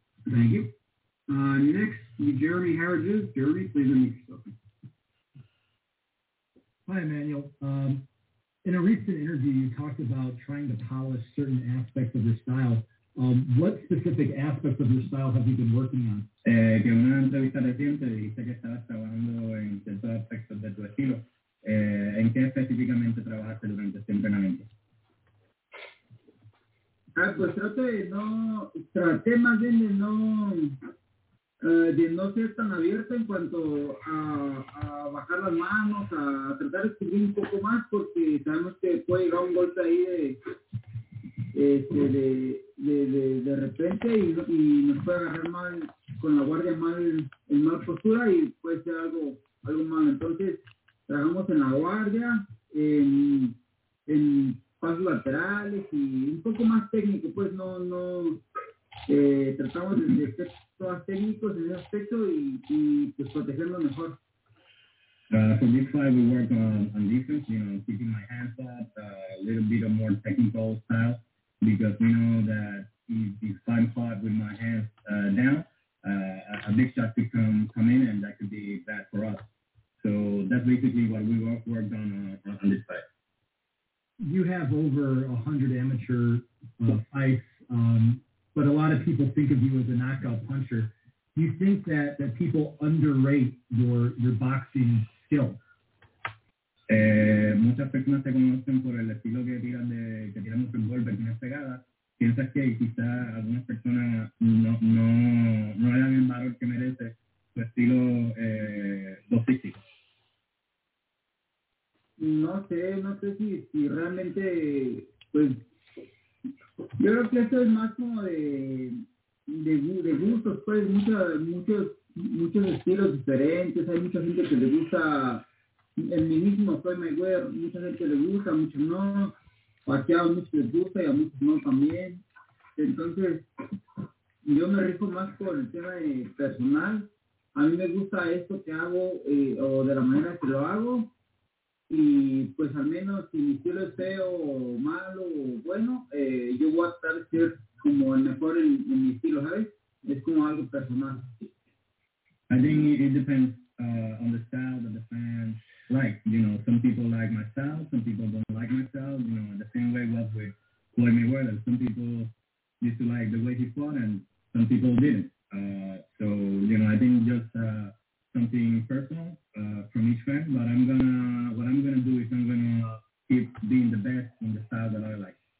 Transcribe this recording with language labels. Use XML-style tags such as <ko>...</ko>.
<en>Thank you. Next, Jeremy Harridges. Jeremy, please unmute yourself. Hi, Emanuel. In a recent interview, you talked about trying to polish certain aspects of your style. What specific aspects of your style have you been working on?</en> <es>Que en una entrevista reciente dijiste que estabas trabajando en ciertos aspectos de tu estilo. ¿En qué específicamente trabajaste durante este entrenamiento? Pues traté más bien de no ser tan abierta en cuanto a bajar las manos, a tratar de escribir un poco más, porque sabemos que puede llegar un golpe ahí de repente y nos puede agarrar mal con la guardia en mal postura y puede ser algo malo. Entonces, trabajamos en la guardia, en pasos laterales y un poco más técnico, pues no tratamos de ser todas técnicos en ese aspecto y pues protegerlo mejor.</es> <en>For this fight, we work on defense, keeping my hands up, a little bit of more technical style, because we know that if I'm caught with my hands down, a big shot could come in, and that could be bad for us. So that's basically what we worked on this fight. you have over 100 amateur fights, but a lot of people think of you as a knockout puncher. Do you think that, that people underrate your boxing skill?</en> <es>Muchas personas te conocen por el estilo que tiran de que tiran muchos golpes, tienes pegada. Piensas que quizá algunas personas no le dan el valor que merece su estilo boxístico. No sé si realmente, pues, yo creo que esto es más como de gustos, pues, muchos estilos diferentes. Hay mucha gente que le gusta el mismo, soy Mayweather, mucha gente le gusta, muchos no, Pacquiao muchos les gusta y a muchos no también. Entonces, yo me rijo más por el tema de personal. A mí me gusta esto que hago o de la manera que lo hago. Y pues al menos si mi estilo es feo, malo o bueno, yo voy a estar ser como el mejor en mi estilo, ¿sabes? Es como algo personal.</es> <en>I think it depends on the style that the fans like. You know, some people like my style, some people don't like my style. You know, the same way was with Floyd Mayweather. Some people used to like the way he fought and some people didn't. So, you know, I think just something personal from each fan, but I'm gonna keep being the best in the style that I like.</en>